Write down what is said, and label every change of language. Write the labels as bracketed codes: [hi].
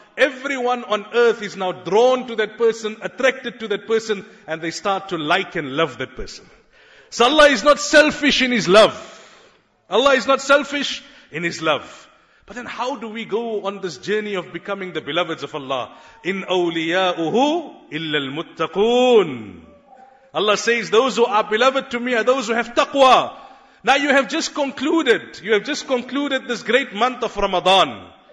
[en] Everyone on earth is now drawn to that person, attracted to that person, and they start to like and love that person. So Allah is not selfish in His love. Allah is not selfish in His love. But then how do we go on this journey of becoming the beloveds of Allah? [ar] In أَوْلِيَاؤُهُ إِلَّا الْمُتَّقُونَ. [en] Allah says, those who are beloved to me are those who have taqwa. Now you have just concluded, this great month of Ramadan.